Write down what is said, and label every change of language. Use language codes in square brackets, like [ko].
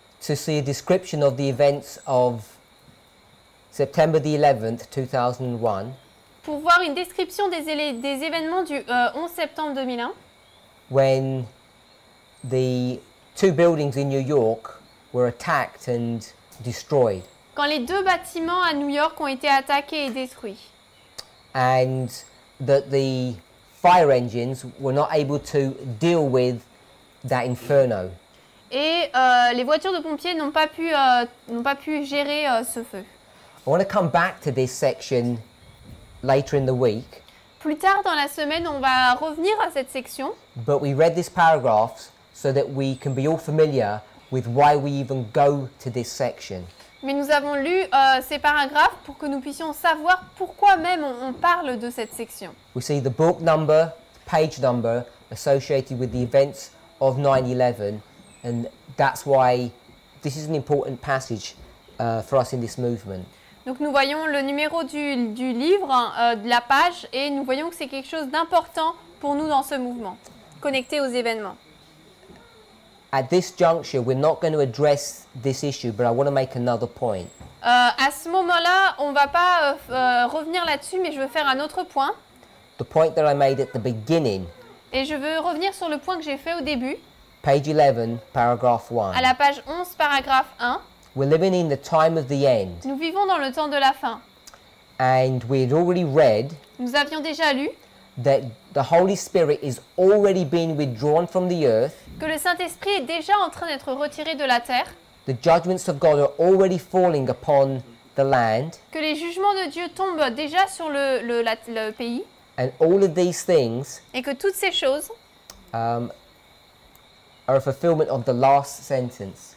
[en] to see a description of the events of September the 11th, 2001, [fr] pour voir une description des événements du 11 septembre 2001, [en] when the two buildings in New York were attacked and destroyed, [fr] quand les deux bâtiments à New York ont été attaqués et détruits, [en] and that the fire engines were not able to deal with that inferno. [fr] Et les voitures de pompiers n'ont pas pu gérer ce feu. [en] I want to come back to this section later in the week. [fr] Plus tard dans la semaine, on va revenir à cette section. [en] But we read this paragraph so that we can be all familiar with why we even go to this section. [fr] Mais nous avons lu ces paragraphes pour que nous puissions savoir pourquoi même on parle de cette section. [en] We see the book number, page number associated with the events of 9/11, and that's why this is an important passage for us in this movement. [fr] Donc nous voyons le numéro du livre, de la page, et nous voyons que c'est quelque chose d'important pour nous dans ce mouvement, connecté aux événements. [en] At this juncture, we're not going to address this issue, but I want to make another point. [fr] À ce moment-là, on ne va pas revenir là-dessus, mais je veux faire un autre point. [en] The point that I made at the beginning. [fr] Et je veux revenir sur le point que j'ai fait au début. [en] Page 11, paragraph 1. [fr] À la page 11, paragraphe 1. [en] We're living in the time of the end. [fr] Nous vivons dans le temps de la fin. [en] And we had already read. [fr] Nous avions déjà lu. [en] That the Holy Spirit is already being withdrawn from the earth. [fr] Que le Saint-Esprit est déjà en train d'être retiré de la terre. [en] The judgments of God are already falling upon the land. [fr] Que les jugements de Dieu tombent déjà sur le pays. [en] And all of these things. [fr] Et que toutes ces choses. [en] Are a fulfillment of the last sentence.